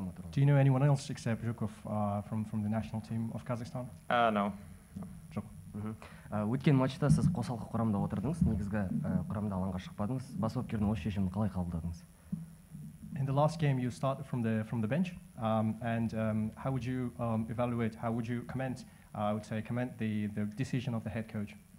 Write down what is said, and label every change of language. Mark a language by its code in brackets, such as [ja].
[en] Do you know anyone else except Zhukov from the national team of Kazakhstan? No. [kk] Өткен матчта сіз қосалқы құрамда отырдыңыз, негізгі құрамда алаңға шықпадыңыз. Бас бапкердің осы шешімін қалай қабылдадыңыз? [en] In the last game you started from the bench. How would you evaluate, how would you comment, I would say comment the decision of the head coach?